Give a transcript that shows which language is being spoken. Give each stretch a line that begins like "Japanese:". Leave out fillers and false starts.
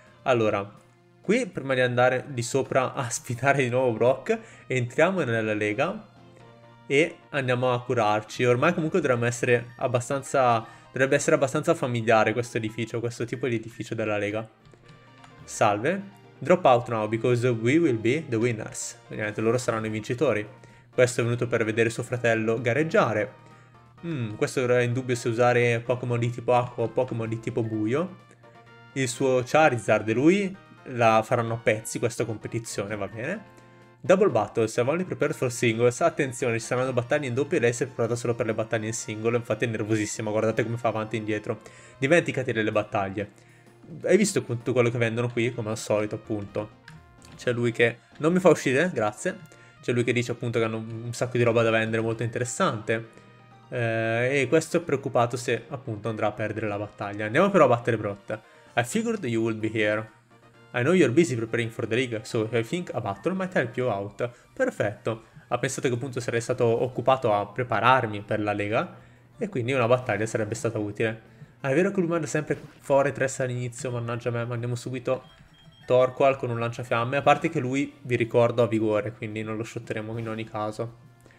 Italian: Allora, qui prima di andare di sopra a sfidare di nuovo Brock, entriamo nella Lega e andiamo a curarci. Ormai comunque dovrebbe essere abbastanza familiare questo edificio, questo tipo di edificio della Lega. Salve.
English: Drop out now, because we will be the winners.
Italian: Ovviamente loro saranno i vincitori. Questo è venuto per vedere suo fratello gareggiare. Questo era in dubbio se usare Pokémon di tipo acqua o Pokémon di tipo buio. Il suo Charizard e lui la faranno a pezzi questa competizione, va bene.
English: Double battle,
Italian: siamo
English: only prepared for singles.
Italian: Attenzione, ci saranno battaglie in doppio e lei si è preparata solo per le battaglie in singolo. Infatti è nervosissima, guardate come fa avanti e indietro. Dimenticati delle battaglie. Hai visto tutto quello che vendono qui, come al solito appunto. C'è lui che non mi fa uscire, grazie. C'è lui che dice appunto che hanno un sacco di roba da vendere, molto interessante. E questo è preoccupato se appunto andrà a perdere la battaglia. Andiamo però a battere Brock.
English: I figured you would be here. I know you're busy preparing for the league, so I think a battle might help you out.
Italian: Perfetto. Ha pensato che appunto sarei stato occupato a prepararmi per la Lega e quindi una battaglia sarebbe stata utile. Ah, è vero che lui manda sempre Fortress all'inizio, mannaggia me. Mandiamo subito Torkoal con un lanciafiamme. A parte che lui, vi ricordo, ha vigore, quindi non lo shotteremo in ogni caso.